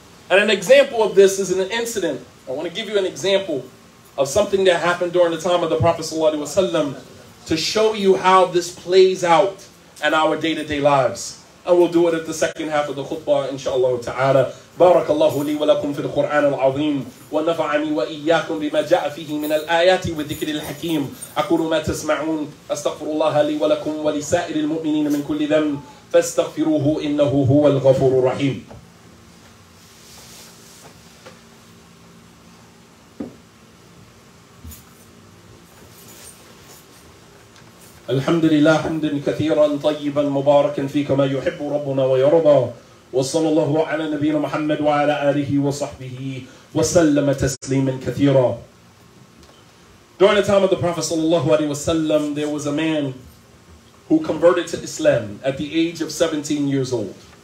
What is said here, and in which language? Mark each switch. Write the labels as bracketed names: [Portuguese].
[English] And an example of this is an incident. I want to give you an example of something that happened during the time of the Prophet Sallallahu Alaihi Wasallam to show you how this plays out in our day-to-day lives. And we'll do it at the second half of the khutbah, inshallah ta'ala. [Arabic] بارك الله لي ولكم في القرآن العظيم ونفعني وإياكم بما جاء فيه من الآيات والذكر الحكيم أقول ما تسمعون أستغفر الله لي ولكم ولسائر المؤمنين من كل ذنب فاستغفروه إنه هو الغفور الرحيم. الحمد لله حمدا كثيرا طيبا مباركا فيك ما يحب ربنا ويرضى وصلى الله على نبينا محمد وعلى آله وصحبه وسلم تسليما كثيرا. [English] During the time of the Prophet sallallahu alaihi wasallam, there was a man who converted to Islam at the age of 17 years old.